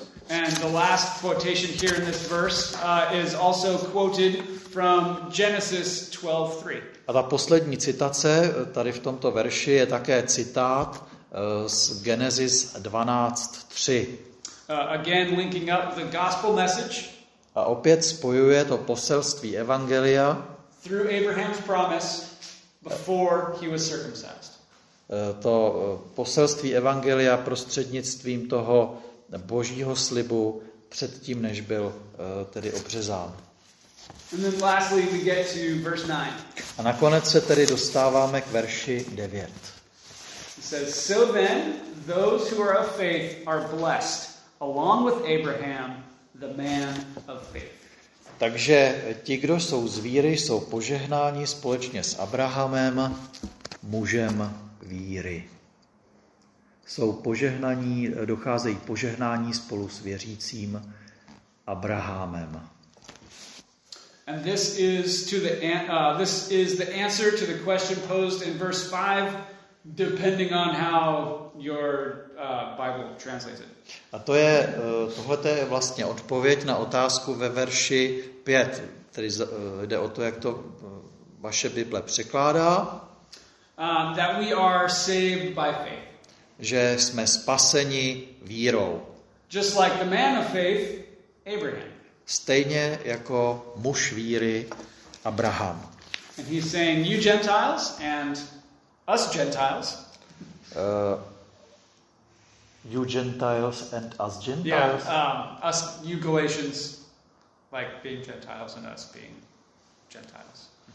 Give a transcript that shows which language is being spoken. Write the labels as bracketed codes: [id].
[en] And the last quotation here in this verse is also quoted from Genesis 12:3. [cs] A ta poslední citace tady v tomto verši je také citát z Genesis 12:3. [en] Again linking up the gospel message. [cs] A opět spojuje to poselství evangelia [en] through Abraham's promise before he was circumcised. [cs] to poselství evangelia prostřednictvím toho Božího slibu předtím, než byl tedy obřezán. [en] And then lastly we get to verse 9. [cs] A nakonec se tedy dostáváme k verši 9. [en] It says, so then those who are of faith are blessed along with Abraham, the man of faith. [cs] Takže ti, kdo jsou z víry, jsou požehnáni společně s Abrahamem, mužem víry. Jsou požehnaní, docházejí požehnání spolu s věřícím Abrahamem. [en] And this is to the answer to the question posed in verse 5, depending on how your Bible translates it. [cs] A to je tohle je vlastně odpověď na otázku ve verši 5, tedy jde o to, jak to vaše Bible překládá. [en] That we are saved by faith. [cs] Že jsme spaseni vírou. [en] Just like the man of faith, Abraham. [cs] Stejně jako muž víry Abraham. [en] And he's saying you Gentiles and us Gentiles. You Gentiles and us Gentiles. Yeah, us you Galatians like being Gentiles and us being Gentiles.